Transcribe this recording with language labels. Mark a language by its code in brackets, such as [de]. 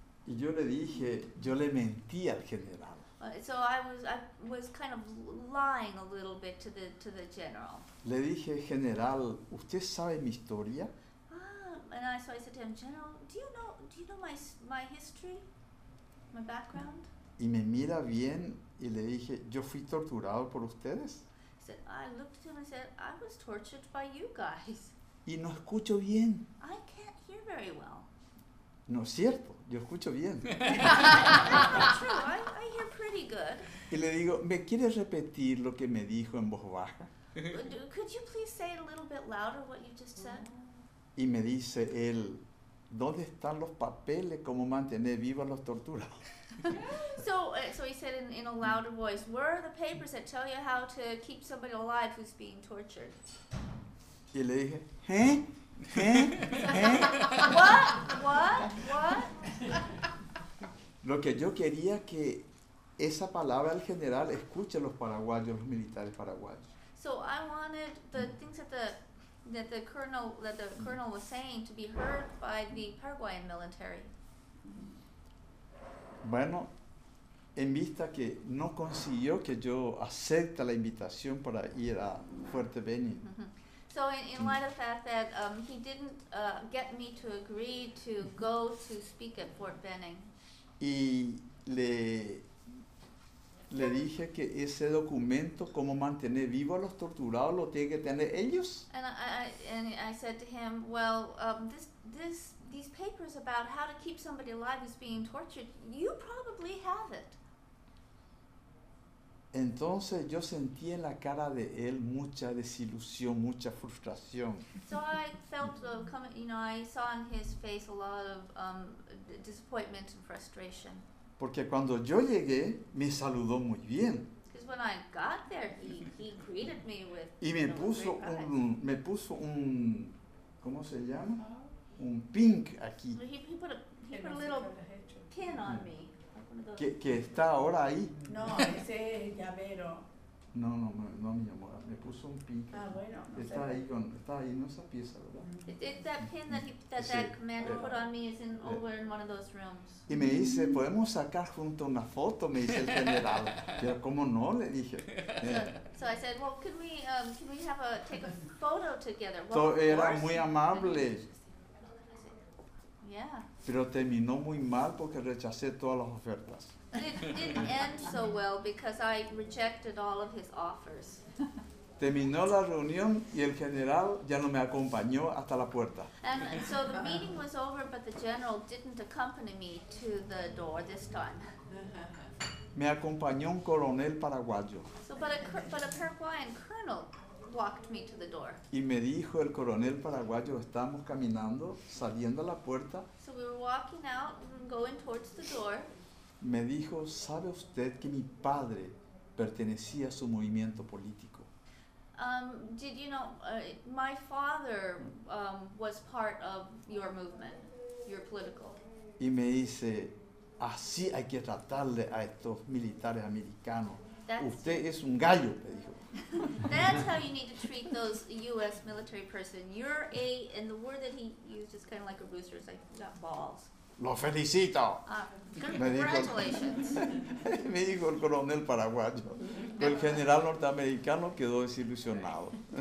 [es] Y yo le dije, yo le mentí al general. [en] So I was kind of lying a little bit to the general. [es] Le dije, general, ¿usted sabe mi historia? [en] And I said to him, general, do you know my history, my background? [es] Y me mira bien. Y le dije, ¿yo fui torturado por ustedes? [en] I looked at him and said, I was tortured by you guys. [es] Y no escucho bien. [en] I can't hear very well. [es] No es cierto, yo escucho bien. [en] That's not true, I hear pretty good. [es] Y le digo, ¿me quieres repetir lo que me dijo en voz baja? [en] Could you please say it a little bit louder what you just said? [es] Y me dice él, ¿dónde están los papeles cómo mantener vivos a los torturados? [en] So he said in a louder voice, where are the papers that tell you how to keep somebody alive who's being tortured? [es] Y le dije, ¿eh? [en] What? [es] Lo que yo quería que esa palabra del general escuche los paraguayos, los militares paraguayos. [en] So I wanted the things that the colonel was saying to be heard by the Paraguayan military. [es] Bueno, en vista que no consiguió que yo acepte la invitación para ir a Fuerte Beni. Mm-hmm. [en] So in light of the fact that he didn't get me to agree to go to speak at Fort Benning. [es] Y le dije que ese documento, cómo mantener vivo a los torturados, lo tiene que tener ellos. [en] And I said to him, well, these papers about how to keep somebody alive who's being tortured, you probably have it. [es] Entonces yo sentí en la cara de él mucha desilusión, mucha frustración. [en] So I felt, I saw in his face a lot of disappointment and frustration. [es] Porque cuando yo llegué, me saludó muy bien. [en] Because when I got there, he greeted me with. [es] Y me puso un, ¿cómo se llama? Un pink aquí. [en] He put a little pin on me. [es] Que está ahora ahí. No, ese es el llavero. No, mi amor, me puso un pin. Ah, bueno. No está sé. Ahí con, está ahí en esa pieza, ¿verdad? [en] It's that pin that commander put on me is over in one of those rooms. [es] Y me dice, ¿podemos sacar junto una foto? Me dice el general. Pero ¿cómo no? Le dije. [en] So I said, well, can we have a take a photo together? Well, [es] so era muy amable. [en] Yeah. [es] Pero terminó muy mal porque rechacé todas las ofertas. [en] It didn't end so well because I rejected all of his offers. [es] Terminó la reunión y el general ya no me acompañó hasta la puerta. [en] And so the meeting was over, but the general didn't accompany me to the door this time. [es] Me acompañó un coronel paraguayo. [en] So, but a Paraguayan colonel walked me to the door. [es] Y me dijo el coronel paraguayo, estamos caminando, saliendo a la puerta. [en] So we were walking out and going towards the door. [es] Me dijo, ¿sabe usted que mi padre pertenecía a su movimiento político? [en] Did you know, my father was part of your movement, your political. [es] Y me dice, así hay que tratarle a estos militares americanos. [en] That's [es] usted es un gallo, me dijo. [en] That's how you need to treat those U.S. military person. You're a, and the word that he used is kind of like a rooster, it's like, you got balls. [es] Lo felicito. [en] Congratulations. [es] Me dijo el coronel paraguayo. El general norteamericano quedó desilusionado.